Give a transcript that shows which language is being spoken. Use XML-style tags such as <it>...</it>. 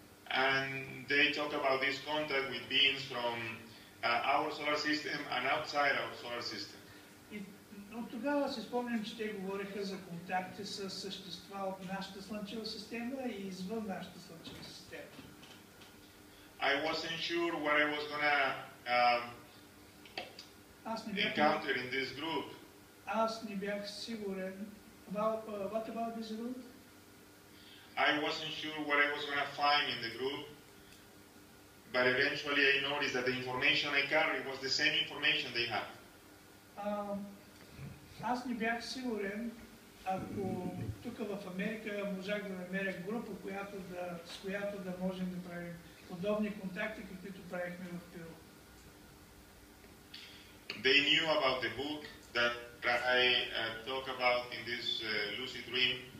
<en>And they talk about this contact with beings from our solar system and outside our solar system.</en> <bg>От тогава си спомням, че те говориха за контакти с същества от нашата слънчева система и извън нашата слънчева система.</bg> <en>I wasn't sure what I was gonna encounter in this group.</en> <bg>Аз не бях сигурен.</bg> <en>What about this group? I wasn't sure what I was going to find in the group, but eventually I noticed that the information I carried was the same information they had.</en> <bg>Аз не бях сигурен, ако тук в Америка можах да намеря група, с която да можем да правим подобни контакти, каквито правихме в Перу.</bg> <en>They knew about the book that I talk about in this lucid dream.</en>